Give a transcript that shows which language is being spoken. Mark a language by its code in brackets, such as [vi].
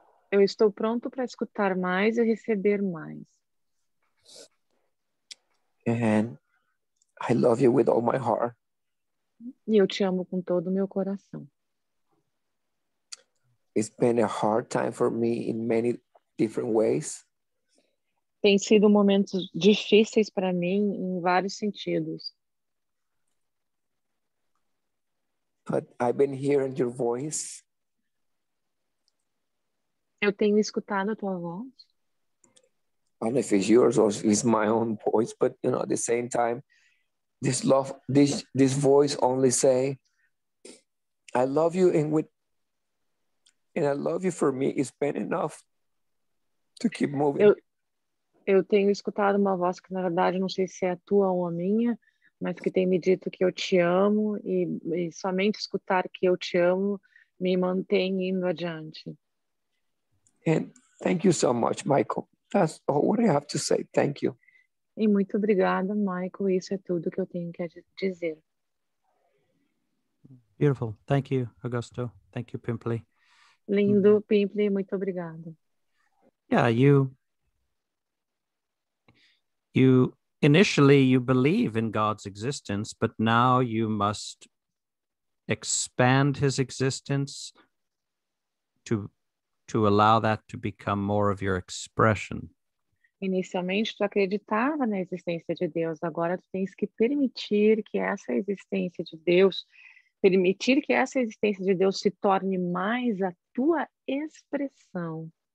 [pt] Eu estou pronto para escutar mais e receber mais. [en] And I love you with all my heart. [pt] E eu te amo com todo o meu coração. [en] It's been a hard time for me in many different ways. [pt] Tem sido momentos difíceis para mim em vários sentidos. [en] But I've been hearing your voice. [pt] Eu tenho escutado a tua voz. [en] I don't know if it's yours or if it's my own voice, but you know, at the same time, this love, this voice only say, I love you, and I love you for me. It's been enough to keep moving. [pt] Eu tenho escutado uma voz que, na verdade, não sei se é a tua ou a minha, mas que tem me dito que eu te amo, e somente escutar que eu te amo me mantém indo adiante. [en] And thank you so much, Michael. That's all what I have to say. Thank you. [pt] E muito obrigada, Michael. Isso é tudo que eu tenho que dizer. [en] Beautiful. Thank you, Augusto. Thank you, Pimpley. [pt] Lindo, Pimpley. Muito obrigada. [en] Yeah, you initially you believe in God's existence, but now you must expand his existence to allow that to become more of your expression. [pt] Inicialmente tu acreditava na existência de Deus, agora tu tens que permitir que essa existência de Deus se torne mais a tua expressão.